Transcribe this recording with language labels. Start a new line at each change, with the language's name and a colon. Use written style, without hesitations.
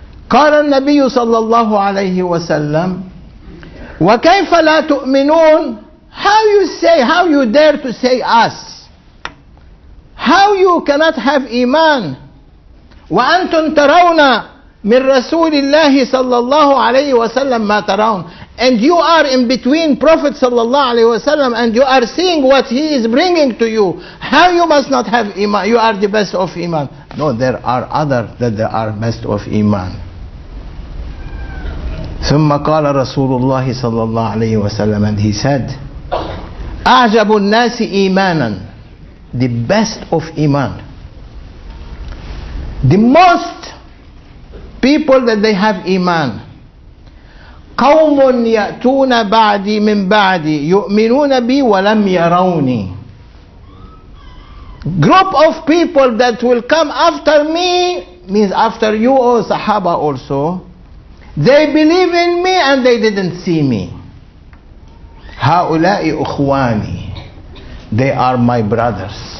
Arabic: قال النبي صلى الله عليه وسلم وكيف لا تؤمنون.
English: How you say, how you dare to say us? How you cannot have iman?
Arabic: وأنتم ترون من رسول الله صلى الله عليه وسلم ما ترون.
English: And you are in between Prophet صلى الله عليه وسلم and you are seeing what he is bringing to you. How you must not have iman? You are the best of iman. No, there are other that they are best of iman.
Arabic: ثم قال رسول الله صلى الله عليه وسلم
English: and he said
Arabic: أعجب الناس إيمانا.
English: The best of iman. The most people that they have iman.
Arabic: قوم يأتون بعدي من بعدي يؤمنون بي ولم يروني.
English: Group of people that will come after me, means after you or Sahaba also, they believe in me and they didn't see me.
Arabic: هؤلاء أخواني.
English: They are my brothers.